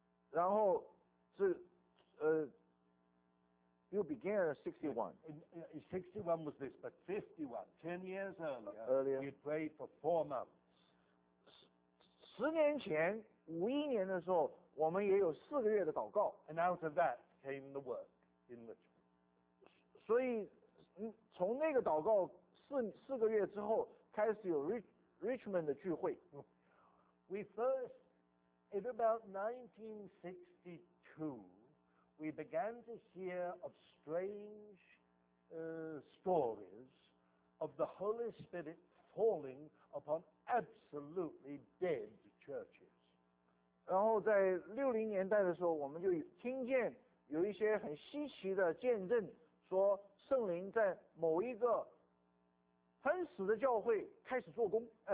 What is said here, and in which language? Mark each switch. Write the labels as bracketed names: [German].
[Chinese] 然后是 [English] you began in 61. In 61 was this, but 51, 10 years earlier, we prayed for 4 months. [Chinese] 10年前51年的时候我们也有4个月的祷告。 [English] And out of that came the work in Richmond. [Chinese] 所以从那个祷告四个月之后开始有 Richmond 的聚会。 [English] We first, in about 1962, we began to hear of strange stories of the Holy Spirit falling upon absolutely dead churches. [Chinese] 然后在60年代的时候，我们就听见有一些很稀奇的见证，说圣灵在某一个很死的教会开始做工。